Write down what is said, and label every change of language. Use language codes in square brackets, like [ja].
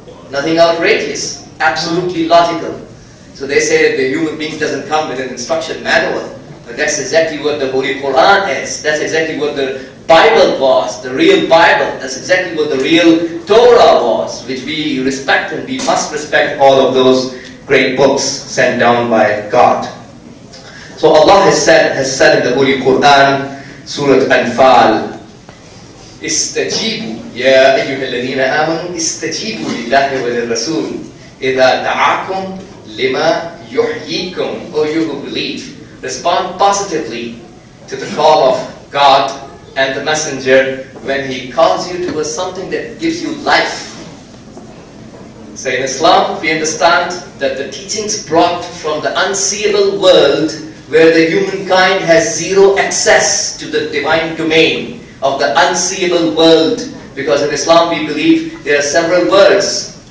[en] Nothing outrageous. Absolutely logical. So they say the human beings doesn't come with an instruction manual. But that's exactly what the Holy Quran is. That's exactly what the Bible was, the real Bible. That's exactly what the real Torah was, which we respect, and we must respect all of those great books sent down by God. So Allah has said in the Holy Quran, Surah Anfal, [ar] استجيبوا يا أيها الذين آمنوا استجيبوا لله وللرسول إذا دعاكم لما يحييكم. [en] Oh, you who believe, respond positively to the call of God and the Messenger when He calls you to something that gives you life. So in Islam, we understand that the teachings brought from the unseeable world, where the humankind has zero access to the divine domain of the unseeable world, because in Islam we believe there are several worlds.